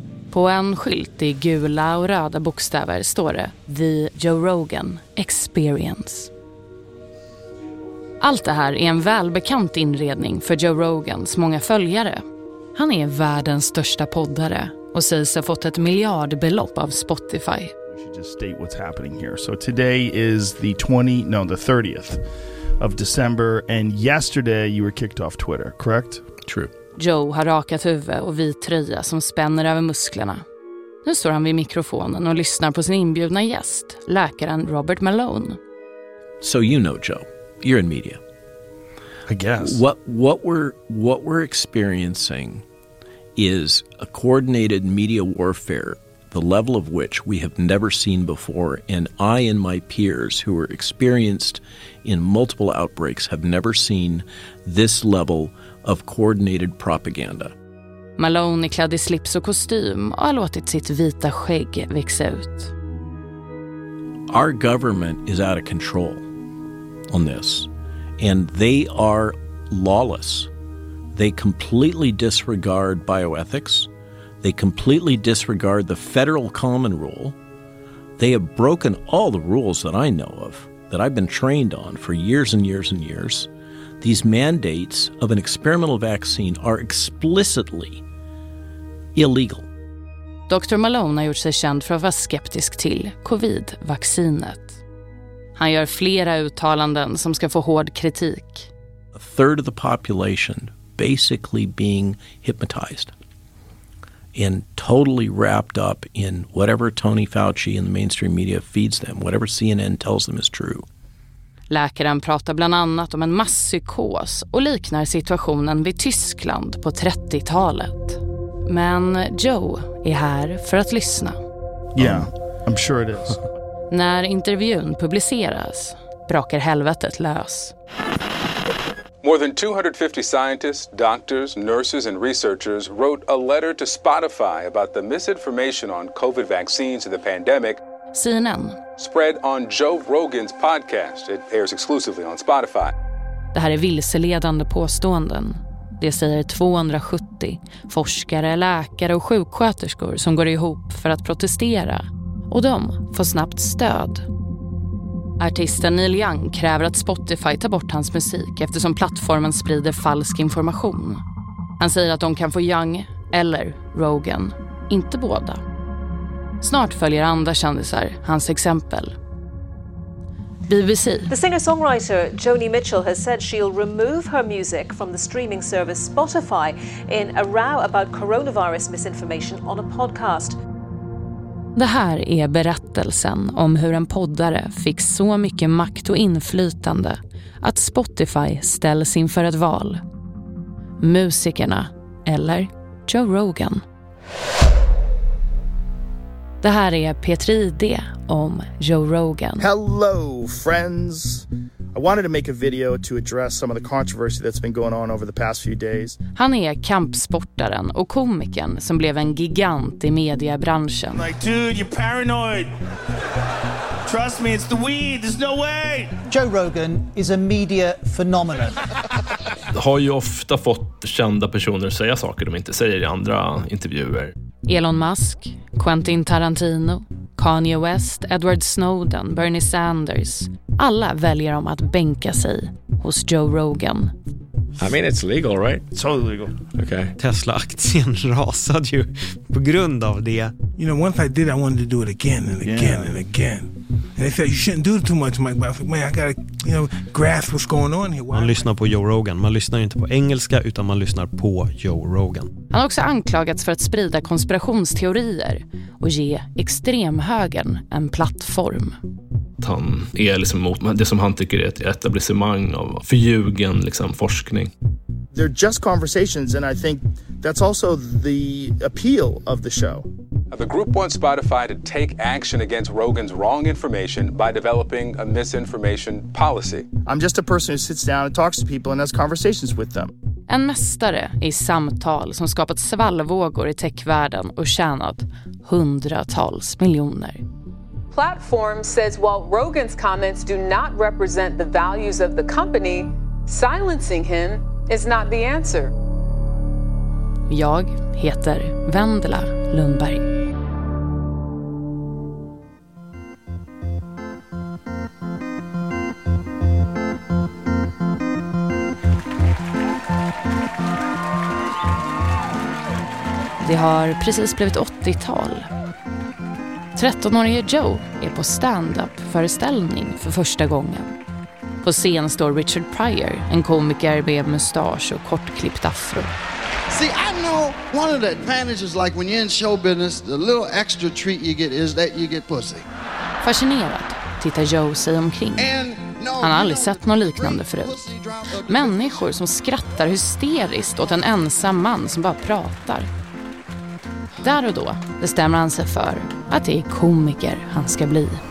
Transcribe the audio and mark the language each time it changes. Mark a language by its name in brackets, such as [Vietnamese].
[Swedish] På en skylt i gula och röda bokstäver står det The Joe Rogan Experience. Allt det här är en välbekant inredning för Joe Rogans många följare. Han är världens största poddare och sägs ha fått ett miljardbelopp av Spotify. [English] I should just state what's happening here. So today is the 30th of December and yesterday you were kicked off Twitter, correct? True. [Swedish] Joe har rakat huvud och vit tröja som spänner över musklerna. Nu står han vid mikrofonen och lyssnar på sin inbjudna gäst, läkaren Robert Malone. [English] So you know Joe, you're in media. I guess. What we're experiencing is a coordinated media warfare, the level of which we have never seen before, and I and my peers who are experienced in multiple outbreaks have never seen this level of coordinated propaganda. [Swedish] Malone är klädd i slips och kostym och har låtit sitt vita skägg växa ut. [English] Our government is out of control on this. And they are lawless. They completely disregard bioethics. They completely disregard the federal common rule. They have broken all the rules that I know of, that I've been trained on for years and years and years. These mandates of an experimental vaccine are explicitly illegal. Dr. [Swedish] Malone har gjort sig känd för att vara skeptisk till covid-vaccinet. Han gör flera uttalanden som ska få hård kritik. [English] A third of the population basically being hypnotized and totally wrapped up in whatever Tony Fauci and the mainstream media feeds them, whatever CNN tells them is true. [Swedish] Läkaren pratar bland annat om en masspsykos och liknar situationen vid Tyskland på 30-talet. Men Joe är här för att lyssna. [English] Yeah, I'm sure it is. [Swedish] När intervjun publiceras brakar helvetet lös. [English] More than 250 scientists, doctors, nurses and researchers wrote a letter to Spotify about the misinformation on COVID vaccines and the pandemic. CNN spread on Joe Rogan's podcast. It airs exclusively on Spotify. [Swedish] Det här är vilseledande påståenden. Det säger 270 forskare, läkare och sjuksköterskor som går ihop för att protestera. Och de får snabbt stöd. Artisten Neil Young kräver att Spotify tar bort hans musik eftersom plattformen sprider falsk information. Han säger att de kan få Young eller Rogan, inte båda. Snart följer andra kändisar hans exempel. [English] BBC. The singer-songwriter Joni Mitchell has said she'll remove her music from the streaming service Spotify in a row about coronavirus misinformation on a podcast. [Swedish] Det här är berättelsen om hur en poddare fick så mycket makt och inflytande att Spotify ställs inför ett val. Musikerna eller Joe Rogan. Det här är Petri D om Joe Rogan. [English] Hello friends. I wanted to make a video to address some of the controversy that's been going on over the past few days. [Swedish] Han är kampsportaren och komikern som blev en gigant i mediebranschen. [English] Like, dude, you're paranoid. Trust me, it's the weed. There's no way. Joe Rogan is a media phenomenon. [Swedish] Har ju ofta fått kända personer säga saker de inte säger i andra intervjuer. Elon Musk, Quentin Tarantino, Kanye West, Edward Snowden, Bernie Sanders. Alla väljer om att bänka sig hos Joe Rogan. [English] I mean it's legal, right? It's totally legal. Okay. [Swedish] Tesla-aktien rasade ju på grund av det. [English] You know, once I did, I wanted to do it again and again and again. And they said you shouldn't do too much, Mike. But I said, man, I gotta, you know, grasp what's going on here. [Swedish] Man lyssnar på Joe Rogan. Man lyssnar inte på engelska, utan man lyssnar på Joe Rogan. Han har också anklagats för att sprida konspirationsteorier och ge extremhögern en plattform. Han är liksom mot det som han tycker är ett etablissemang av förljugen liksom forskning. [English] They're just conversations, and I think that's also the appeal of the show. The group wants Spotify to take action against Rogan's wrong information by developing a misinformation policy. I'm just a person who sits down and talks to people and has conversations with them. [Swedish] En mästare i samtal som skapat svallvågor i techvärlden och tjänat hundratals miljoner. [English] Platform says while Rogan's comments do not represent the values of the company, silencing him is not the answer. [Swedish] Jag heter Wendela Lundberg. Det har precis blivit 80-tal. 13-årige Joe är på stand-up-föreställning för första gången. På scen står Richard Pryor, en komiker med mustasch och kortklippt afro. [English] See, I know one of the advantages, like when you're in show business, the little extra treat you get is that you get pussy. [Swedish] Fascinerad tittar Joe sig omkring. Han har aldrig sett något liknande förut. Människor som skrattar hysteriskt åt en ensam man som bara pratar. Där och då bestämmer han sig för att det är komiker han ska bli.